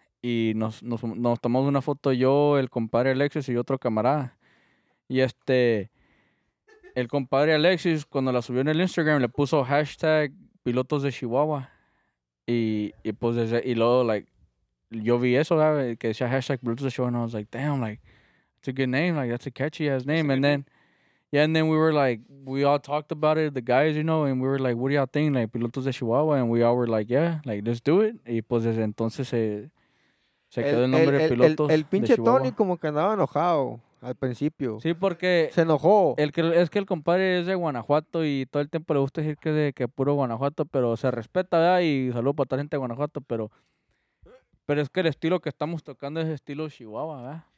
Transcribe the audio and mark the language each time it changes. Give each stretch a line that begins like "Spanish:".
Spanish: Y nos tomamos una foto yo, el compadre Alexis y otro camarada. Y el compadre Alexis, cuando la subió en el Instagram, le puso hashtag pilotos de Chihuahua. Y pues desde, y luego, like, yo vi eso, ¿sabes? Que decía hashtag pilotos de Chihuahua.
English: And I was like, damn, like, that's a good name. Like, that's a catchy ass name. And then... Yeah, and then we were like, we all talked about it, the guys, you know, and we were like, what do y'all think? Like, pilotos de Chihuahua. And we all were like, yeah, like, let's do it.
Spanish: Y pues desde entonces se quedó el nombre de pilotos. El pinche Tony como que andaba enojado al principio. Sí, porque... Se enojó. Es que el compadre es de Guanajuato y todo el tiempo le gusta decir que es de puro Guanajuato, pero se respeta, ¿verdad? Y saludo para toda la gente de Guanajuato, pero es que el estilo que estamos tocando es estilo Chihuahua, ¿verdad?